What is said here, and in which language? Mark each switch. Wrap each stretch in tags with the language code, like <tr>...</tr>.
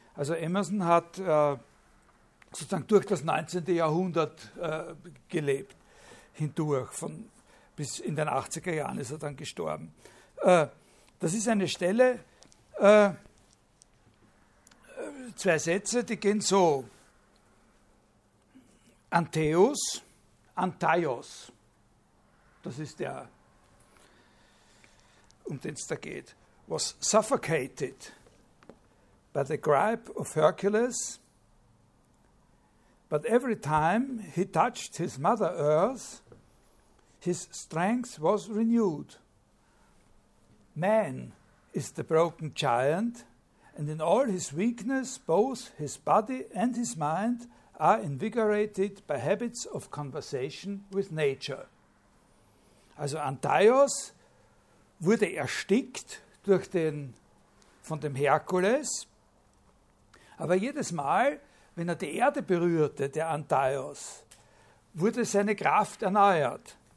<de>Also Emerson hat sozusagen durch das 19. Jahrhundert gelebt, hindurch, bis in den 80er Jahren ist er dann gestorben. Das ist eine Stelle, zwei Sätze, die gehen so. Antaios, Antaios, das ist der, um den es da geht,</de> <en>was suffocated by the gripe of Hercules, but every time he touched his mother earth, his strength was renewed. Man is the broken giant, and in all his weakness, both his body and his mind are invigorated by habits of conversation with nature.</en> <de>Also Antaios wurde erstickt durch von dem Herkules, aber jedes Mal, wenn er die Erde berührte, der Antaios, wurde seine Kraft erneuert.</de>